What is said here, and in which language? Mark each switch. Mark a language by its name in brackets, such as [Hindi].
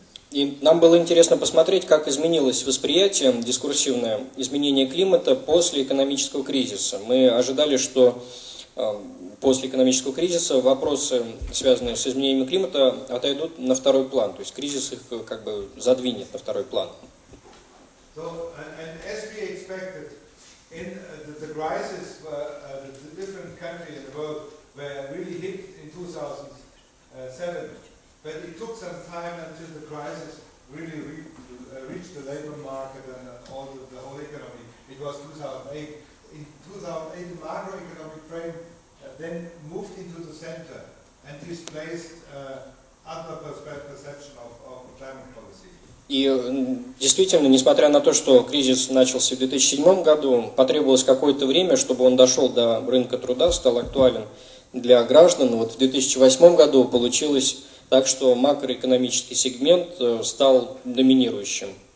[Russian] И нам было интересно посмотреть, как изменилось восприятие дискурсивное изменение климата после экономического кризиса. Мы ожидали, что после экономического кризиса вопросы, связанные с изменением климата, отойдут на второй план, то есть кризис их как бы задвинет на второй план. [English] So, and as we expected, in the crisis, the different countries in the world were really hit in 2007, but it took some time until the crisis really reached the labor market and the whole economy. It was 2008. In 2008, the macroeconomic frame then moved into the center and displaced other perception of climate policy. [Russian] И действительно, несмотря на то, что кризис начался в 2007 году, потребовалось какое-то время, чтобы он дошел до рынка труда, стал актуален для граждан. Вот в 2008 году получилось так, что макроэкономический сегмент стал доминирующим.